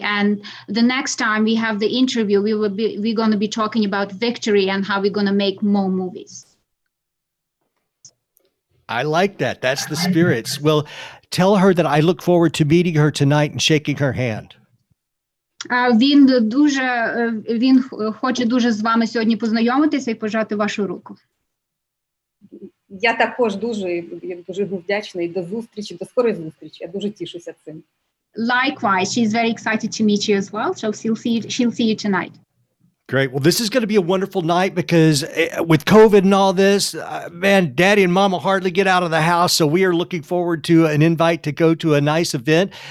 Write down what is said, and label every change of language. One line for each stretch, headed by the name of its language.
English: And the next time we have the interview, we're going to be talking about victory and how we're going to make more movies. I like that. That's the spirits. Well, tell her that I look forward to meeting her tonight and shaking her hand.
Ukrainian: Він хоче дуже з вами сьогодні познайомитися і пожати вашу руку. Я також дуже вдячний. До зустрічі, до скорої зустрічі. Я дуже тішуся цим.
English: Likewise, she's very excited to meet you as well. So she'll see you tonight. Great. Well, this is going to be a wonderful night because with COVID and all this, man, daddy and mama hardly get out of the house. So we are looking forward to an invite to go to a nice event.